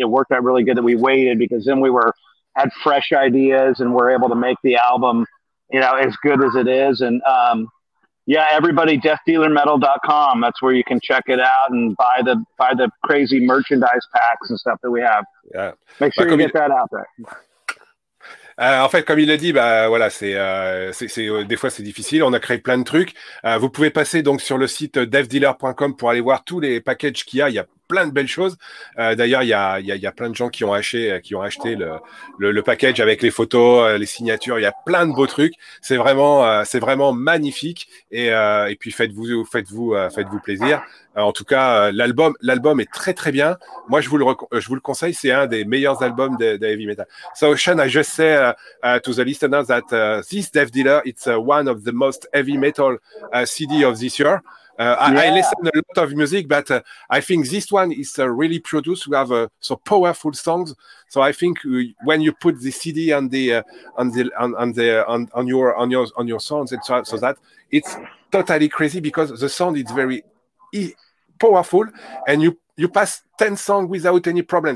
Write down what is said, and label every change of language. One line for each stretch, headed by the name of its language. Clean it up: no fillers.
English: It worked out really good that we waited, because then we had fresh ideas and were able to make the album, you know, as good as it is. And everybody, deathdealermetal.com. That's where you can check it out and buy the crazy merchandise packs and stuff that we have. Yeah. Make sure you get that out there.
French: En fait, comme il l'a dit, des fois c'est difficile. On a créé plein de trucs. Vous pouvez passer donc sur le site devdealer.com pour aller voir tous les packages qu'il y a. Il y a plein de belles choses. D'ailleurs, il y a plein de gens qui ont acheté le package avec les photos, les signatures. Il y a plein de beaux trucs. C'est vraiment magnifique. Et puis faites-vous plaisir. En tout cas, l'album est très très bien. Moi, je vous le conseille. C'est un des meilleurs albums de heavy metal.
English: So, Sean, I just say to the listeners that this Dev Dealer, it's one of the most heavy metal CD of this year. I listen a lot of music, but I think this one is really produced. We have some powerful songs. So I think when you put the CD on your songs, and so that it's totally crazy because the sound is very powerful, and you pass 10 songs without any problem.